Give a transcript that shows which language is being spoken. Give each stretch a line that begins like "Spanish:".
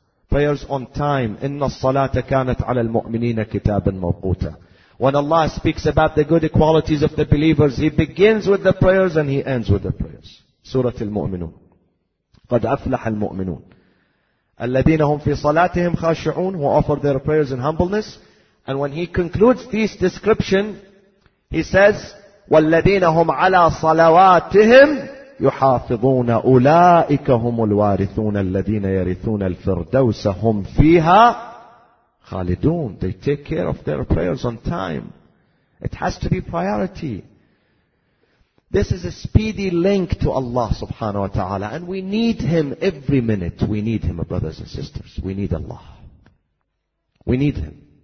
English: Prayers on time.
Arabic: إِنَّ الصَّلَاةَ كَانَتْ عَلَى الْمُؤْمِنِينَ كِتَابًا مَوْقُوتًا.
English: When Allah speaks about the good qualities of the believers, He begins with the prayers and He ends with the prayers.
Arabic: Surah Al-Mu'minun. قَدْ أَفْلَحَ الْمُؤْمِنُونَ الَّذِينَ هُمْ فِي صَلَاتِهِمْ خَاشِعُونَ.
English: Who offer their prayers in humbleness. And when He concludes this description, He says,
Arabic: وَالَّذِينَ هُمْ عَلَى صَلَوَاتِهِمْ يُحَافِظُونَ أُولَٰئِكَ هُمُ الْوَارِثُونَ الَّذِينَ يَرِثُونَ الْفِرْدَوْسَ هُمْ فِيهَا خَالِدُونَ.
English: They take care of their prayers on time. It has to be priority. This is a speedy link to Allah subhanahu wa ta'ala. And we need Him every minute. We need Him, brothers and sisters. We need Allah. We need Him.